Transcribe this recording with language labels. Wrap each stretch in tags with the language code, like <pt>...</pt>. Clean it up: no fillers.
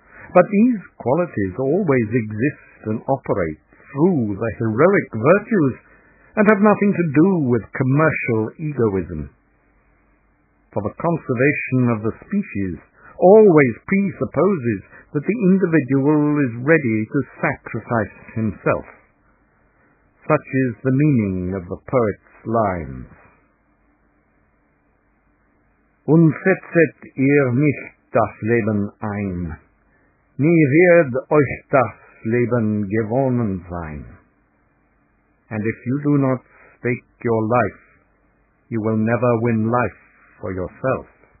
<en>But these qualities always exist and operate through the heroic virtues and have nothing to do with commercial egoism. For the conservation of the species, always presupposes that the individual is ready to sacrifice himself. Such is the meaning of the poet's lines.</en> <de>Unsetzet ihr nicht das Leben ein, nie wird euch das Leben gewonnen sein.</de> <en>And if you do not stake your life, you will never win life for yourself.</en>